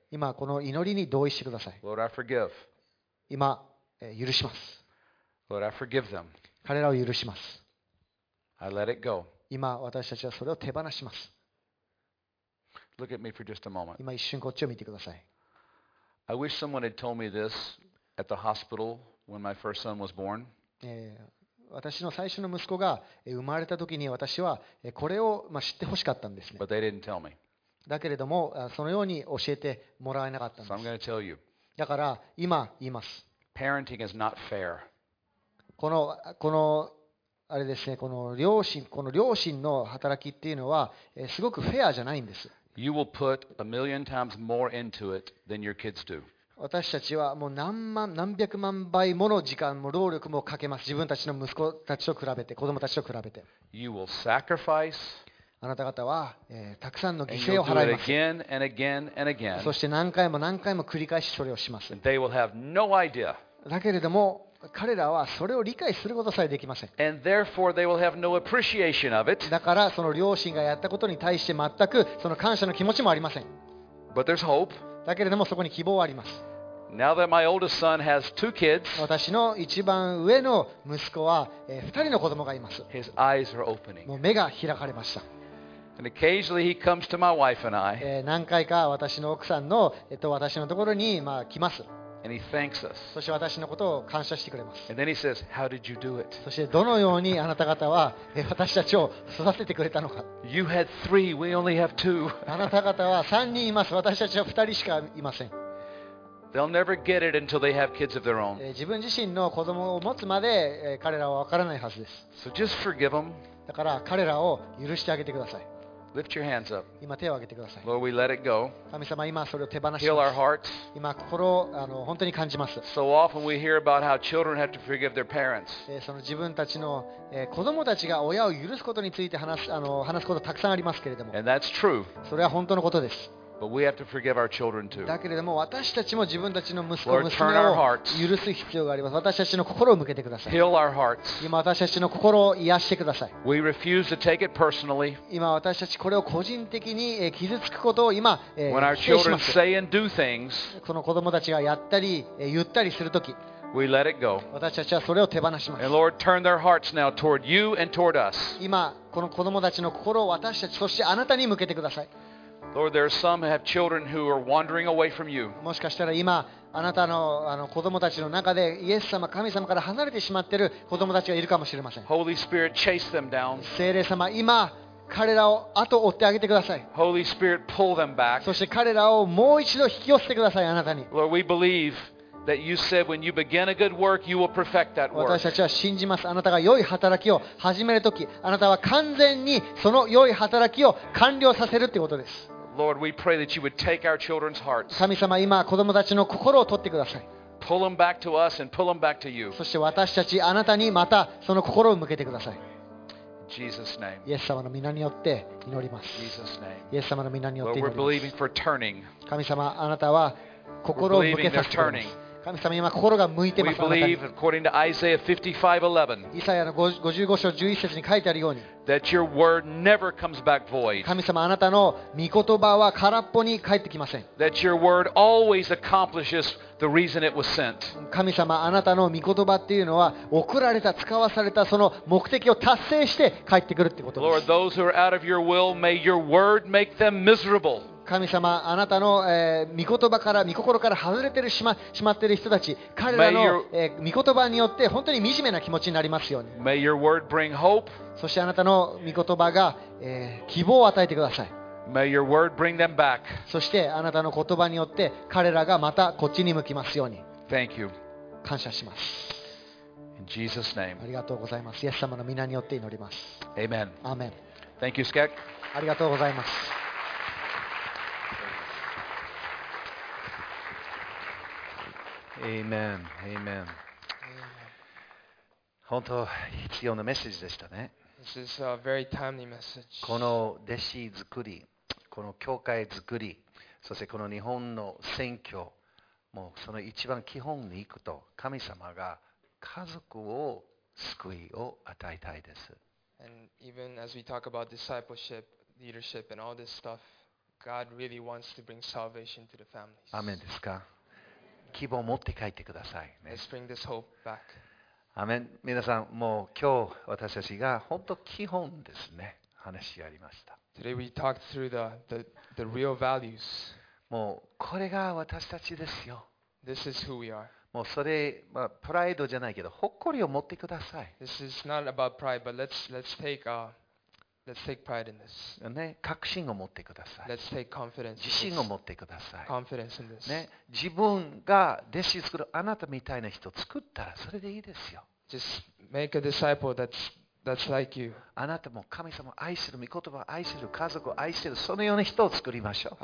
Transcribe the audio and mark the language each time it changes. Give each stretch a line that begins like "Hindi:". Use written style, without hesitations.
Japanese: 今この祈りに同意してください。
English: Lord, I forgive.
Japanese: 今許します。
English: Lord, I forgive them.
Japanese: 彼らを許します。
English: I let it go.
Japanese: 今私たちはそれを手放します。
English: Look at me for just a moment.
Japanese: 今一瞬こっちを見てください。
English: I wish someone had told me this at the hospital when my first son was born.
Japanese: 私の最初の息子が生まれた時に私はこれを知ってほしかったんですね。
English: But they didn't tell me.
Japanese: だけれどもそのように教えてもらえなかったんです。
English: So I'm going to tell you.
Japanese: だから今言います。
English: Parenting is not fair.
Japanese: このあれですね、この両親の働きっていうのはすごくフェアじゃないんです。
English: You will put a million times more into it than your kids do.
Japanese: 私たちはもう何百万倍もの時間も労力もかけます。自分たちの息子たちと比べて、子供たちと比べて。
English: You will sacrifice.
Japanese: あなた方は、たくさんの犠牲を払います。
English: And you'll do it again and again and again.
Japanese: そして何回も何回も繰り返しそれをします。
English: And they will have no idea.
Japanese: だけれども彼らはそれを理解することさえできません。
English: And therefore they will have no appreciation of it.
Japanese: だからその両親がやったことに対して全くその感謝の気持ちもありません。
English: But there's hope.
Japanese: だけれどもそこに希望はあります。
English: Now that my oldest son has two kids,
Japanese: 私の一番上の息子は二人の子供がいます。
English: His eyes are opening.
Japanese: もう目が開かれました。
English: And occasionally he comes to my wife and I.
Japanese: 何回か私の奥さんの私のところに来ます。
English: And he thanks us.
Japanese: そして私のことを感謝してくれます。
English: And then he says, "How did you do it?"
Japanese: そしてどのようにあなた方は私たちを育ててくれたのか。
English: You had three. We only have two.
Japanese: あなた方は3人います。私たちは2人しかいません。
English: They'll never get it until they have kids of their own.
Japanese: 自分自身の子供を持つまで彼らはわからないはずです。
English: So just forgive them.
Japanese: だから彼らを許してあげてください。
English: Lift your hands up.
Japanese: 今手を挙げてください。
English: Lord, we let it go.
Japanese: 神様、今それを手放します
English: 。 Heal our hearts.
Japanese: 今心を本当に感じます。
English: So often we hear about how children have to forgive their parents.
Japanese: その自分たちの子供たちが親を許すことについて話すことたくさんありますけれども。
English: And that's true.
Japanese: それは本当のことです。
English: But we have to forgive our children too.
Japanese: だけれども私たちも自分たちの息子娘を許す必要があります。私たちの心を向けてください。
English: Heal our hearts.
Japanese: 今私たちの心を癒してください。
English: We refuse to take it personally.
Japanese: 今私たちこれを個人的に傷つくことを今否定します。
English: When our children say and do things,
Japanese: この子供たちがやったり言ったりするとき。
English: We let it go.
Japanese: 私たちはそれを手放します。
English: And Lord, turn their hearts now toward you and toward us.
Japanese: 今この子供たちの心を私たちそしてあなたに向けてください。
English: Lord, there are some who have children who are wandering away from you.
Japanese: もしかしたら今あなたの子供たちの中でイエス様、神様から離れてしまっている子供たちがいるかもしれません。
English: Holy Spirit, chase them down.
Japanese: 聖霊様、今彼らを後を追ってあげてください。
English: Holy Spirit, pull them back.
Japanese: そして彼らをもう一度引き寄せてくださいあなたに。
English: Lord, we believe. That you said when you begin a good work, you will perfect that work.
Japanese: 私たちは信じます。あなたが良い働きを始めるとき、あなたは完全にその良い働きを完了させるということです。
English: Lord, we pray that you would take our children's hearts.
Japanese: 神様、今子供たちの心を取ってください。
English: Pull them back to us and pull them back to you.
Japanese: そして私たちあなたにまたその心を向けてください。
English: Jesus' name.
Japanese: イエス様の皆によって祈ります。
English: Jesus' name.
Japanese: イエス様の皆によって祈ります。
English: Lord, we're believing for turning.
Japanese: 神様、あなたは心を向けさせてください。
English: We're believing for turning.
Japanese: 神様今心が向いていますあなたに。
English: We believe, according to Isaiah 55:11,
Japanese: イサヤの55章11節に書いてあるように、
English: that your word never comes back void.
Japanese: 神様あなたの御言葉は空っぽに返ってきません。
English: That your word always accomplishes the reason it was sent.
Japanese: 神様あなたの御言葉っていうのは送られた使わされたその目的を達成して返ってくるってことです。
English: Lord, those who are out of your will, may your word make them miserable.
Japanese: 神様あなたの、御言葉から御心から外れてる しまっている人たち彼らの
English: your,、
Japanese: 御言葉によって本当に惨めな気持ちになりますように
English: May your word bring hope.
Japanese: そしてあなたの御言葉が、希望を与えてください
English: May your word bring them back.
Japanese: そしてあなたの言葉によって彼らがまたこっちに向きますように
English: Thank you.
Japanese: 感謝します
English: In Jesus name.
Japanese: ありがとうございますイエス様の皆によって祈ります
English: Amen. Amen. Thank you, Skek.
Japanese: ありがとうございます
English: Amen. Amen.
Japanese: 本当必要なメッセージでしたね。
English: This is a very timely message.
Japanese: この弟子作り、この教会作り、そしてこの日本の選挙、もうその一番基本に行くと、神様が家族を救いを与えたいです。
English: And even as we talk about discipleship, leadership, and all this stuff, God really wants to bring salvation to the families.
Japanese: アメンですか？希望を持って帰ってくださいね。
English: Let's bring this hope back.
Japanese: アメン。皆さん、もう今日私たちが本当基本ですね、話し合いました。
English: Today we talked through the real values.
Japanese: もうこれが私たちですよ。
English: This is who we are.
Japanese: もうそれ、まあ、プライドじゃないけど、誇りを持ってください。
English: This is not about pride, but let's take pride in this.
Japanese: ね、確信を持ってください。
English: Let's take confidence.
Japanese: 自信を持ってください。
English: Confidence in this.
Japanese: ね、自分が弟子作るあなたみたいな人を作ったらそれでいいですよ。
English: Just make a disciple that's like you.
Japanese: あなたも神様を愛する、御言葉を愛する、家族を愛する、そのような人を作りましょう。